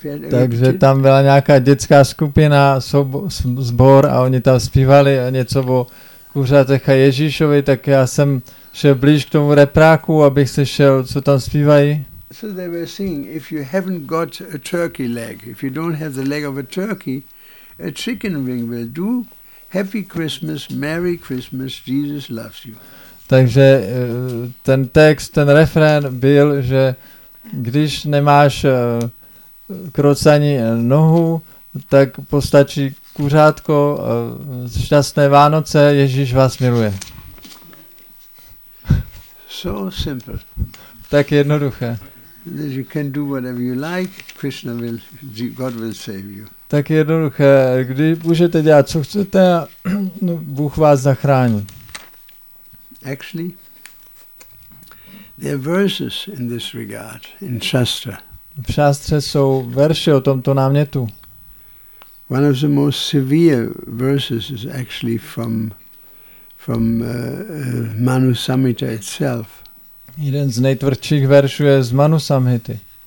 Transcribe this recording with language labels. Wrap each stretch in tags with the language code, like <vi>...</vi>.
<cs>Takže tam byla nějaká dětská skupina, sbor a oni tam zpívali něco o kuřátech a Ježíšovi, tak já jsem šel blíž k tomu repráku, abych slyšel, co tam zpívají.</cs> <en>So they were singing, if you haven't got a turkey leg, if you don't have the leg of a turkey, a chicken wing will do. Happy Christmas, Merry Christmas, Jesus loves you.</en> <cs>Takže ten text, ten refrén byl, že když nemáš krocaní nohu, tak postačí kuřátko, šťastné Vánoce, Ježíš vás miluje.</cs> <en>So simple.</en> <cs>Tak jednoduché.</cs> <en>That you can do whatever you like, Krishna will, God will save you.</en> <cs>Tak jednoduché, kdy můžete dělat, co chcete, Bůh vás zachrání.</cs> <en>Actually, there are verses in this regard, in Shastra.</en> <cs>V Shastře jsou verše o tomto námětu.</cs> <en>One of the most severe verses is actually from Manu Samhita itself.</en> <cs>Jeden z nejtvrdších veršů je z Manu Samhity.</cs>